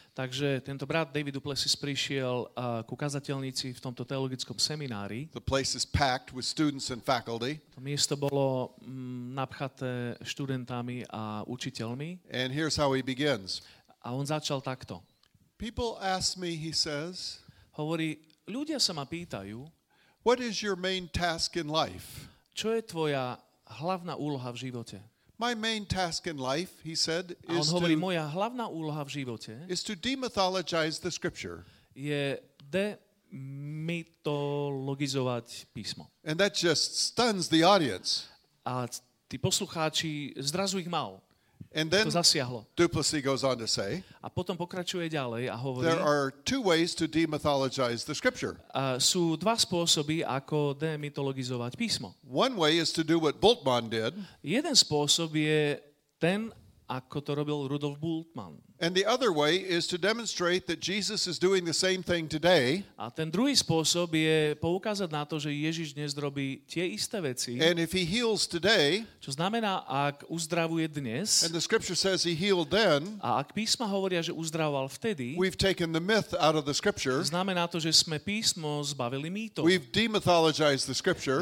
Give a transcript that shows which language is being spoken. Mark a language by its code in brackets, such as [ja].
[sk] Takže tento brat David Duplessis prišiel ku kazateľnici v tomto teologickom seminári. [en] The place is packed with students and faculty. [sk] To miesto bolo napchaté študentami a učiteľmi. [en] And here's how he begins. [sk] A on začal takto. [en] People ask me, he says, [sk] hovorí, ľudia sa ma pýtajú, [en] what is your main task in life? [sk] Čo je tvoja hlavná úloha v živote? [en] My main task in life, he said, is [sk] to. A on hovorí, moja hlavná úloha v živote [en] is to demythologize the scripture. [sk] Je demytologizovať písmo. [en] And that just stuns the audience. [sk] A tí poslucháči zrazu ich mal. [en] And then [sk] to zasiahlo. [en] Duplessy goes on to say. [sk] A potom pokračuje ďalej a hovorí. [en] There are two ways to demythologize the scripture. [sk] Sú dva spôsoby, ako demytologizovať písmo. [en] One way is to do what Bultmann did. [sk] Jeden spôsob je ten, ako to robil Rudolf Bultmann. [en] And the other way is to demonstrate that Jesus is doing the same thing today. [sk] A ten druhý spôsob je poukázať na to, že Ježiš dnes robí tie isté veci. [en] And if he heals today, [sk] čo znamená, ak uzdravuje dnes, [en] and the scripture says he healed then, [sk] a ak písma hovoria, že uzdravoval vtedy, [en] we've taken the myth out of the scripture. [sk] Znamená to, že sme písmo zbavili mýtov. [en] We've demythologized the scripture.